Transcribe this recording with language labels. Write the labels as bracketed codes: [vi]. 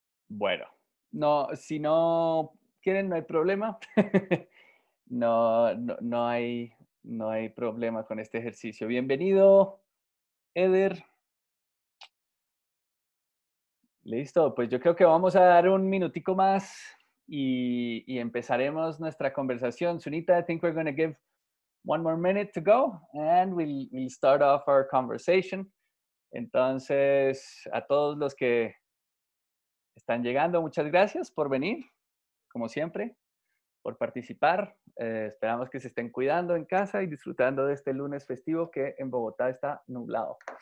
[es] Bueno, no, si no quieren, no hay problema. No, no, no hay No hay problema con este ejercicio. Bienvenido, Eder. Listo, pues yo creo que vamos a dar un minutico más y empezaremos nuestra conversación. [en] Sunita, I think we're going to give one more minute to go and we'll start off our conversation. [es] Entonces, a todos los que están llegando, muchas gracias por venir, como siempre, por participar. Esperamos que se estén cuidando en casa y disfrutando de este lunes festivo que en Bogotá está nublado.